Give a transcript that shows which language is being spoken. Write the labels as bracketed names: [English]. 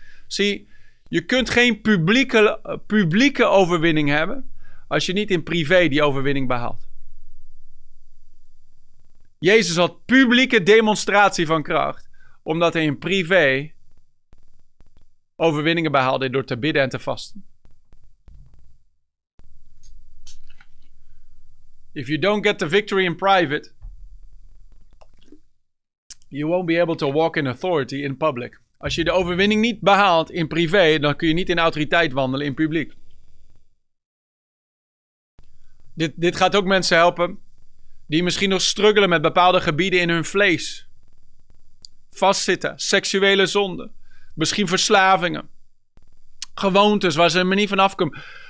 [Dutch] Zie, je kunt geen publieke overwinning hebben, als je niet in privé die overwinning behaalt. Jezus had publieke demonstratie van kracht, omdat hij in privé overwinningen behaalde door te bidden en te vasten. [English] If you don't get the victory in private, you won't be able to walk in authority in public. [Dutch] Als je de overwinning niet behaalt in privé, dan kun je niet in autoriteit wandelen in publiek. Dit gaat ook mensen helpen die misschien nog struggelen met bepaalde gebieden in hun vlees. Vastzitten, seksuele zonden, misschien verslavingen, gewoontes waar ze er niet van afkomen.